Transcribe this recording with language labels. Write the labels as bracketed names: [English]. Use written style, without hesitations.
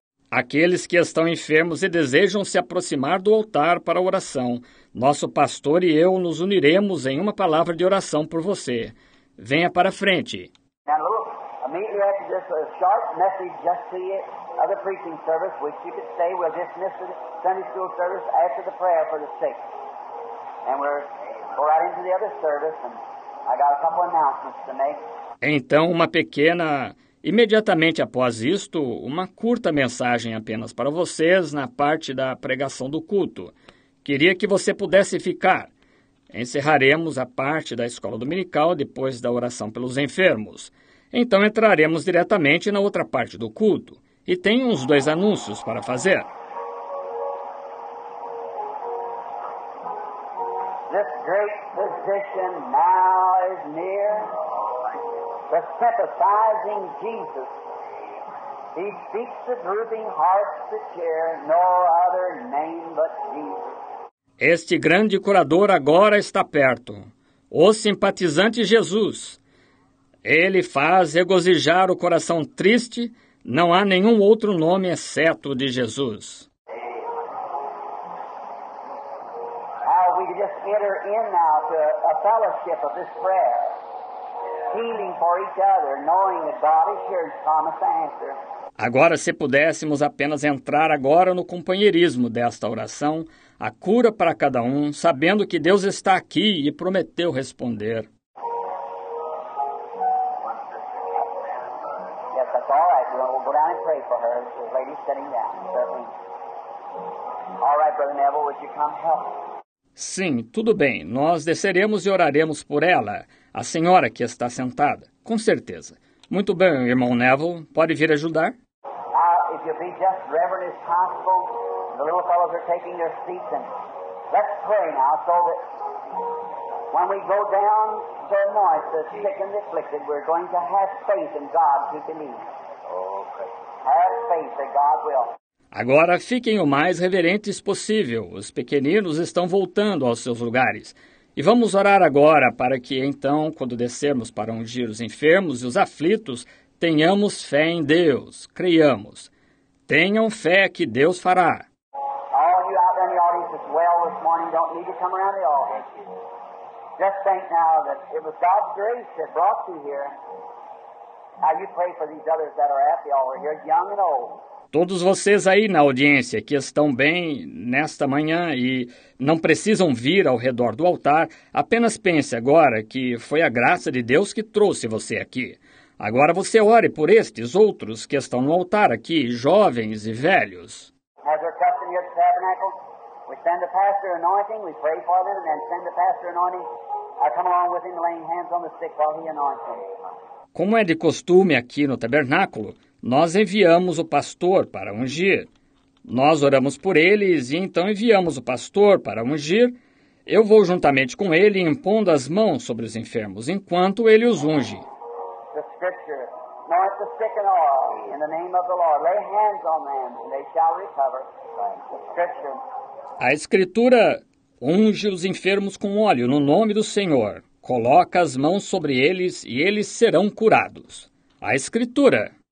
[Portuguese] Aqueles que estão enfermos e desejam se aproximar do altar para oração, nosso pastor e eu nos uniremos em uma palavra de oração por você. Venha para frente. [English] Now, look, immediately after this just a short message just to the other preaching service, which you could stay. We'll dismiss the Sunday school service after the prayer for the sick. And we'll go right into the other service, and I got a couple announcements to make. [Portuguese] Então, uma pequena... Imediatamente após isto, uma curta mensagem apenas para vocês na parte da pregação do culto. Queria que você pudesse ficar. Encerraremos a parte da escola dominical depois da oração pelos enfermos. Então entraremos diretamente na outra parte do culto. E tenho uns dois anúncios para fazer. [English] This great position now is near. The sympathizing Jesus, he speaks the drooping hearts to cheer, no other name but Jesus. [Portuguese] Este grande curador agora está perto, o simpatizante Jesus. Ele faz regozijar o coração triste, não há nenhum outro nome exceto de Jesus. [English] Now we just enter in now to a fellowship of this prayer. Healing for each other, knowing that God is here to promise the answer. [Portuguese] Agora, se pudéssemos apenas entrar agora no companheirismo desta oração, a cura para cada um, sabendo que Deus está aqui e prometeu responder. [English] Yes, that's all right. We'll go down and pray for her. The lady's sitting down. All right, Brother Neville, would you come help? [Portuguese] Sim, tudo bem. Nós desceremos e oraremos por ela. A senhora que está sentada, com certeza. Muito bem, irmão Neville, pode vir ajudar? [English] If you be just reverent as possible, the little fellows are taking their seats, and let's pray now so that when we go down to anoint the sick and the afflicted, we're going to have faith in God to believe. Okay. Have faith that God will. [Portuguese] Agora fiquem o mais reverentes possível. Os pequeninos estão voltando aos seus lugares. E vamos orar agora para que, então, quando descermos para ungir os enfermos e os aflitos, tenhamos fé em Deus, creiamos. Tenham fé que Deus fará. [English] All you out there in the audience as well this morning don't need to come around the altar. Just think now that it was God's grace that brought you here. Now you pray for these others that are at the altar here, young and old. [Portuguese] Todos vocês aí na audiência que estão bem nesta manhã e não precisam vir ao redor do altar, apenas pense agora que foi a graça de Deus que trouxe você aqui. Agora você ore por estes outros que estão no altar aqui, jovens e velhos. [English] As their custom here at the tabernacle, we send the pastor anointing, we pray for them, and then send the pastor anointing. I come along with him laying hands on the sick while he anoints them. [Portuguese] Como é de costume aqui no tabernáculo, nós enviamos o pastor para ungir. Nós oramos por eles e então enviamos o pastor para ungir. Eu vou juntamente com ele impondo as mãos sobre os enfermos enquanto ele os unge. [English] The scripture, not the sick and all, in the name of the Lord, lay hands on them and they shall recover. The scripture. [Portuguese] A escritura unge os enfermos com óleo no nome do Senhor. Coloca as mãos sobre eles e eles serão curados. A escritura.